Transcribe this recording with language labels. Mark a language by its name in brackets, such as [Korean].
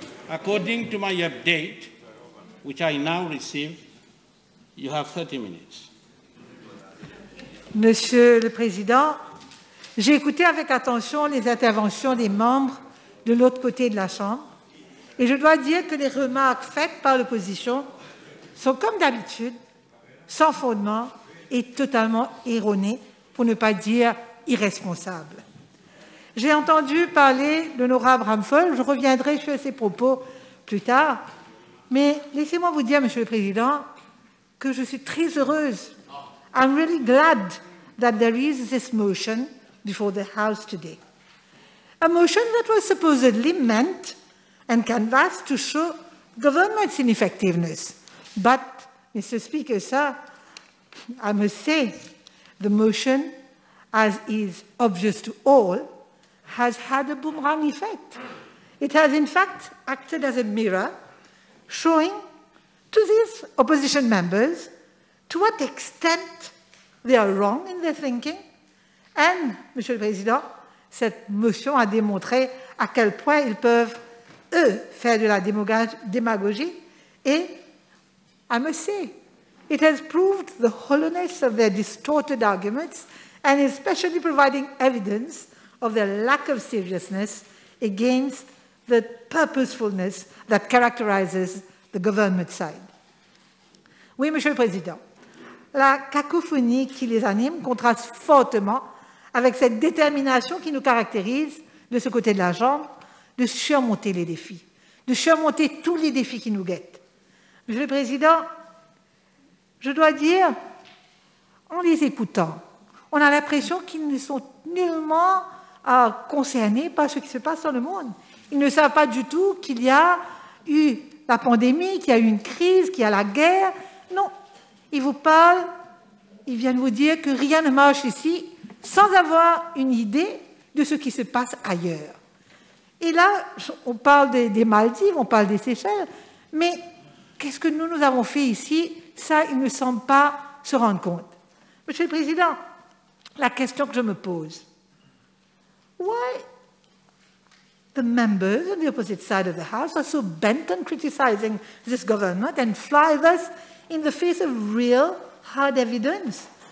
[English] according to my update, which I now receive, you have 30 minutes. [French] Monsieur le Président, j'ai écouté avec attention les interventions des membres de l'autre côté de la Chambre et je dois dire que les remarques faites par l'opposition sont, comme d'habitude, sans fondement et totalement erronées, pour ne pas dire irresponsables. J'ai entendu parler de Nora Bramfol, je reviendrai sur ses propos plus tard, mais laissez-moi vous dire, Monsieur le Président, que je suis très heureuse. [English] I'm really glad that there is this motion before the House today. A motion that was supposedly meant and canvassed to show government's ineffectiveness. But, Mr. Speaker, sir, I must say, the motion, as is obvious to all, has had a boomerang effect. It has in fact acted as a mirror, showing to these opposition members to what extent they are wrong in their thinking. [French] And, Monsieur le Président, cette motion a démontré à quel point ils peuvent, eux, faire de la démagogie. [English] Et, I must say, it has proved the hollowness of their distorted arguments and especially providing evidence of their lack of seriousness against the purposefulness that characterizes the government side. [French] Oui, Monsieur le Président, la cacophonie qui les anime contraste fortement avec cette détermination qui nous caractérise de ce côté de la Chambre de surmonter les défis, de surmonter tous les défis qui nous guettent. Monsieur le Président, je dois dire, en les écoutant, on a l'impression qu'ils ne sont nullement concernés par ce qui se passe dans le monde. Ils ne savent pas du tout qu'il y a eu la pandémie, qu'il y a eu une crise, qu'il y a la guerre. Non, ils vous parlent, ils viennent vous dire que rien ne marche ici sans avoir une idée de ce qui se passe ailleurs. Et là, on parle des Maldives, on parle des Seychelles, mais qu'est-ce que nous avons fait ici? Ça, ils ne semblent pas se rendre compte. Monsieur le Président, la question que je me pose, [English] why the members on the opposite side of the House are so bent on criticizing this government and fly thus in the face of real hard evidence?